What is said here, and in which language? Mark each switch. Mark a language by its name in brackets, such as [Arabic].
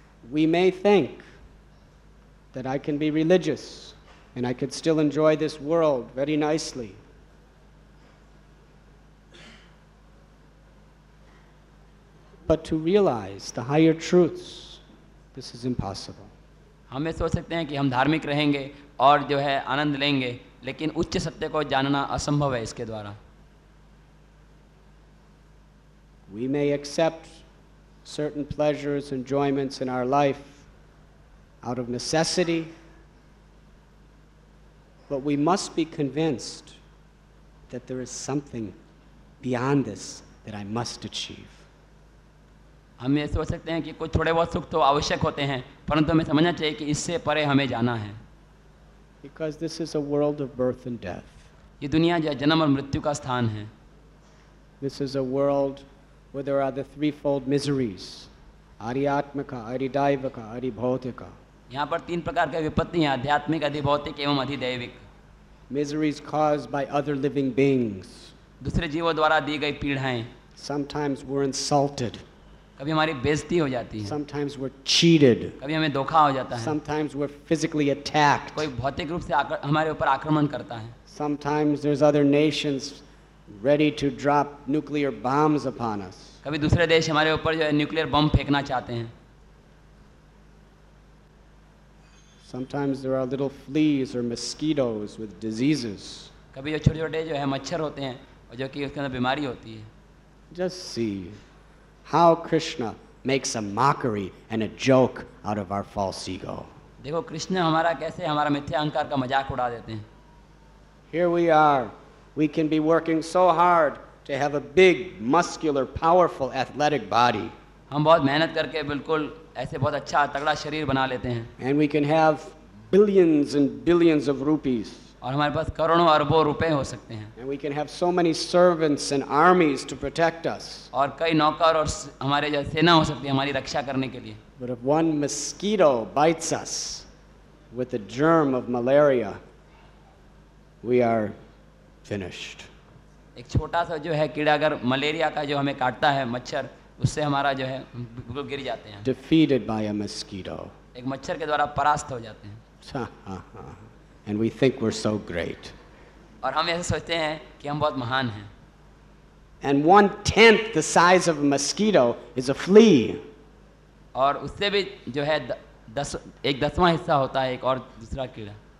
[English] We may think that I can be religious and I could still enjoy this world very nicely. But to realize the higher truths, this is impossible. [Hindi] हम ये सोच सकते हैं कि हम धार्मिक रहेंगे और जो है आनंद लेंगे, लेकिन उच्च सत्य को जानना असंभव है इसके द्वारा. [English] We may accept certain pleasures, enjoyments in our life out of necessity, but we must be convinced that there is something beyond this that I must achieve. [Hindi] हम ये सोच सकते हैं कि कुछ थोड़े बहुत सुख तो आवश्यक होते हैं परंतु हमें समझना चाहिए कि इससे परे हमें जाना है [English] Because this is a world of birth and death. [Hindi] ये दुनिया जो जन्म और मृत्यु का स्थान है [English] This is a world where there are the threefold miseries, [Sanskrit] आर्यात्मका, आर्यदैविका, आर्यभौतिका. [Hindi] यहाँ पर तीन प्रकार के विपत्ति हैं आध्यात्मिक अधिभौतिक एवं अधिदैविक [English] Miseries caused by other living beings. [Hindi] दूसरे जीवों द्वारा दी गई पीड़ाएं [English] Sometimes we're insulted. [Hindi] कभी हमारी बेइज्जती हो जाती है [English] Sometimes we're cheated. [Hindi] कभी हमें धोखा हो जाता है [English] Sometimes we're physically attacked. [Hindi] कोई भौतिक रूप से हमारे ऊपर आक्रमण करता है [English] Sometimes there's other nations ready to drop nuclear bombs upon us. [Hindi] कभी दूसरे देश हमारे ऊपर जो है न्यूक्लियर बम फेंकना चाहते हैं [English] Sometimes there are little fleas or mosquitoes with diseases. [Hindi] कभी जो छोटे छोटे जो है मच्छर होते हैं और जो कि उसके अंदर बीमारी होती है [English] Just see how Krishna makes a mockery and a joke out of our false ego. [Hindi] देखो कृष्ण हमारा कैसे हमारा मिथ्या अहंकार का मजाक उड़ा देते हैं [English] Here we are. We can be working so hard to have a big, muscular, powerful, athletic body. [Hindi] हम बहुत मेहनत करके बिल्कुल ऐसे बहुत अच्छा तगड़ा शरीर बना लेते हैं [English] And we can have billions and billions of rupees. [Hindi] और हमारे पास करोड़ों अरबों रुपए हो सकते हैं [English] And we can have so many servants and armies to protect us. [Hindi] और कई नौकर और हमारे जो सेना हो सकती है हमारी रक्षा करने के लिए [English] But if one mosquito bites us with a germ of malaria, we are finished. [Hindi] एक छोटा सा जो है कीड़ा अगर मलेरिया का जो हमें काटता है मच्छर उससे हमारा जो है बिल्कुल गिर जाते हैं [English] Defeated by a mosquito. [Hindi] एक मच्छर के द्वारा परास्त हो जाते हैं [English] And we think we're so great. [Hindi] और हम ऐसे सोचते हैं कि हम बहुत महान हैं. [English] And one tenth the size of a mosquito is a flea. [Hindi] और उससे भी जो है एक दसवां हिस्सा होता है एक और दूसरा कीड़ा.